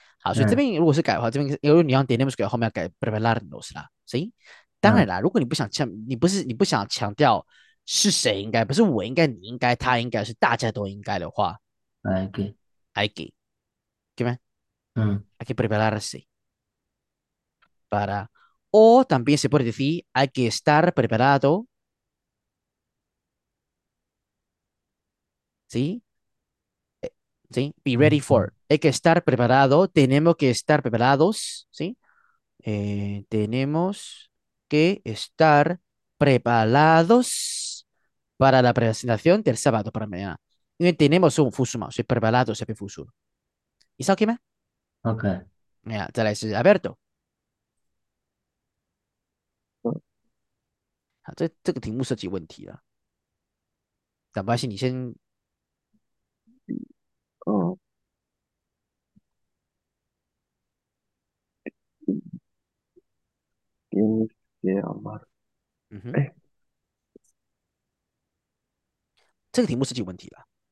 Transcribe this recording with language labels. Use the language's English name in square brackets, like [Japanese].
[Chinese] 好，所以这边如果是改的话，这边因为你要 tenemos que 后面要改 prepararnos 啦，行？当然啦，如果你不想强，你不想强调是谁应该，不是我应该，你应该，他应该，是大家都应该的话来给， [Spanish] ，hay que, hay que prepararse para o también se puede decir hay que estar preparado, ¿sí? ¿Sí? [English] Be ready for. [Spanish] Hay que estar preparado. Tenemos que estar preparados. ¿Sí? Tenemos que estar preparados para la presentación del sábado para mañana. Y tenemos un fusuma. Soy preparado, se fusuma. ¿Y sabes qué más? Ya, te la dice Alberto. Este tema es un problema. No pasa nada, [Chinese] ni 嗯哼，这个题目是几个问题了？